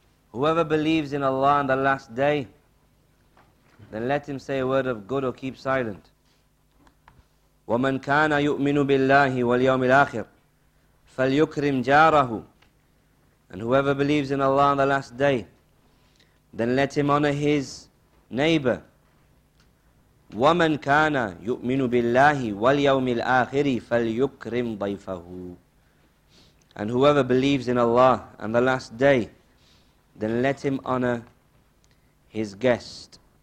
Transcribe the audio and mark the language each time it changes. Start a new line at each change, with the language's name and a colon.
English: Whoever believes in Allah on the last day, then let him say a word of good or keep silent.
Arabic: ومن كان يؤمن بالله واليوم الآخر فليكرم جاره.
English: And whoever believes in Allah on the last day, then let him honor his neighbor.
Arabic: وَمَنْ كَانَ يُؤْمِنُ بِاللَّهِ وَالْيَوْمِ الْآخِرِ فَلْيُكْرِمْ ضَيْفَهُ.
English: And whoever believes in Allah on the last day, then let him honor his guest.